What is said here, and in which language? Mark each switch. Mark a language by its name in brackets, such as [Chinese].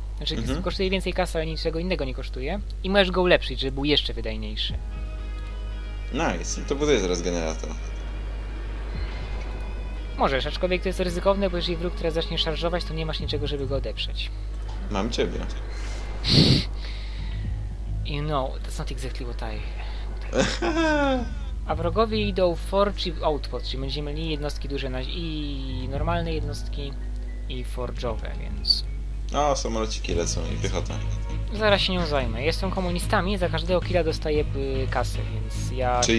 [Polish] Znaczy, kosztuje więcej kasy, ale niczego innego nie kosztuje. I możesz go ulepszyć, żeby był jeszcze wydajniejszy. Nice, to buduje zaraz generator. Możesz, aczkolwiek to jest ryzykowne, bo jeżeli wróg teraz zacznie szarżować, to nie masz niczego, żeby go odeprzeć. Mam ciebie. [English] You know, that's not exactly what I... [Polish] A wrogowie idą w forge i outpost, czyli będziemy mieli jednostki duże i normalne jednostki, i forge'owe, więc... O, samolociki lecą i piechota. Zaraz się nią zajmę. Jestem komunistami i za każdego killa dostaję kasy, więc ja czyli...